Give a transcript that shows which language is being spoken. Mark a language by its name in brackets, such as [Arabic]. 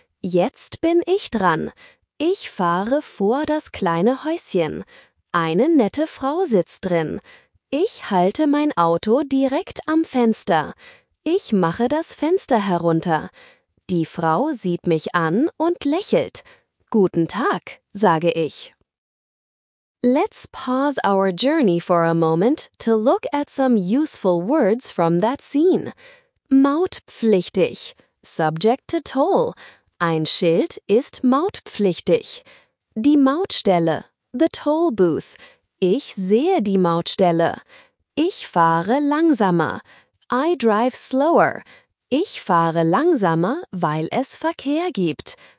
[German] Jetzt bin ich dran. Ich fahre vor das kleine Häuschen. Eine nette Frau sitzt drin. Ich halte mein Auto direkt am Fenster. Ich mache das Fenster herunter. Die Frau sieht mich an und lächelt. Guten Tag, sage ich. [English] Let's pause our journey for a moment to look at some useful words from that scene. Mautpflichtig. Subject to toll. [German] Ein Schild ist mautpflichtig. Die Mautstelle. [English] The toll booth. [German] Ich sehe die Mautstelle. Ich fahre langsamer. [English] I drive slower. [German] Ich fahre langsamer, weil es Verkehr gibt.